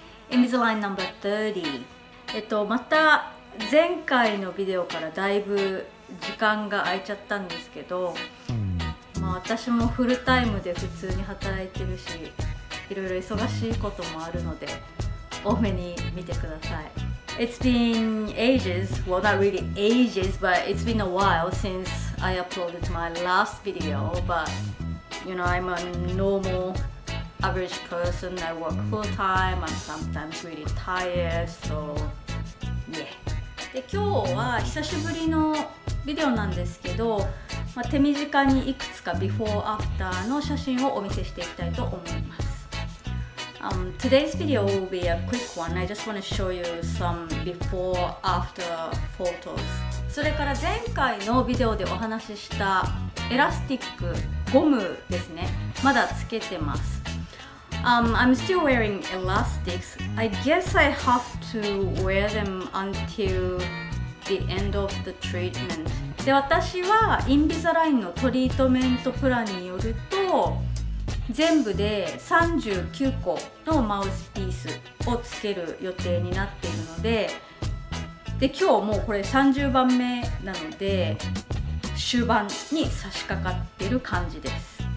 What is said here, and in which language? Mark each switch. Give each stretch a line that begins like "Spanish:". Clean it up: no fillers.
Japanese: インビザライン No. 30。また前回のビデオからだいぶ時間が空いちゃったんですけど、まあ、私もフルタイムで普通に働いてるし、いろいろ忙しいこともあるので、多めに見てください。
English: It's been ages, well not really ages, but it's been a while since I uploaded my last video. But, you know, I'm a normal average person. I work full time, I'm sometimes really tired, so yeah.
Japanese: で、今日は久しぶりのビデオなんですけど、まあ、手短にいくつかビフォーアフターの写真をお見せしていきたいと思います。
English: Today's video will be a quick one. I just want to show you some before after photos.
Japanese: それから前回のビデオでお話ししたエラスティックゴムですね。まだつけてます。
English: I'm still wearing elastics. I guess I have to wear them until the end of the treatment.
Japanese: で、私はインビザラインのトリートメントプランによると全部で39個のマウスピースをつける予定になっているの で今日もうこれ30番目なので終盤に差し掛かっている感じです。